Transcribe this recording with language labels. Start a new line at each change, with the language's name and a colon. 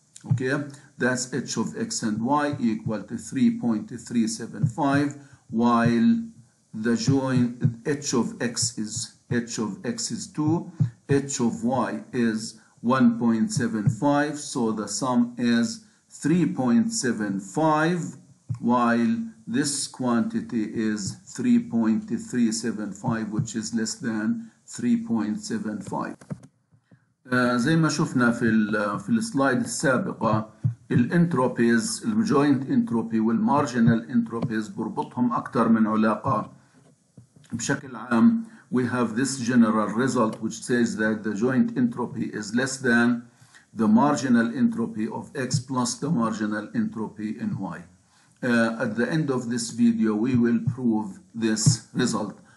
English: Okay, that's h of x and y equal to 3.375, while the joint h of x is 2, h of y is 1.75, so the sum is 3.75, while this quantity is 3.375, which is less than 3.75.
Arabic: زي ما شفنا في السلايد السابقة, الانتروبيز, الجوينت انتروبي والمارجنال انتروبيز بربطهم أكتر من علاقة. بشكل عام,
English: we have this general result which says that the joint entropy is less than the marginal entropy of x plus the marginal entropy in y. At the end of this video, we will prove this result.